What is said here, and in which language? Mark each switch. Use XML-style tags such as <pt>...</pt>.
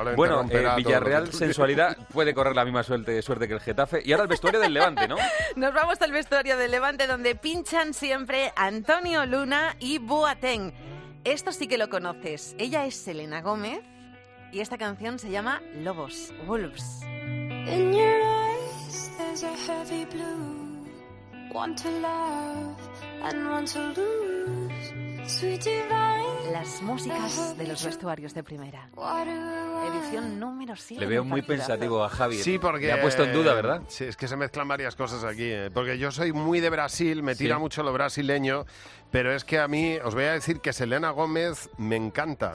<es>Bueno, Villarreal, Sensualidad, puede correr la misma suerte que el Getafe. Y ahora el vestuario del Levante, ¿no? Nos vamos al vestuario del Levante, donde pinchan siempre Antonio Luna y Boateng. Esto sí que lo conoces. Ella es Selena Gómez y esta canción se llama Lobos, Wolves.</es> <en>In your eyes there's a heavy blue. Want to love and want to lose. Sweet divine.</en> <es>Las músicas de los vestuarios de primera. Edición número 7. Le veo muy pensativo a Javi. Sí, porque... Me ha puesto en duda, ¿verdad? Sí, es que se mezclan varias cosas aquí. Porque yo soy muy de Brasil, me tira mucho lo brasileño. Pero es que a mí, os voy a decir que Selena Gómez me encanta.</es>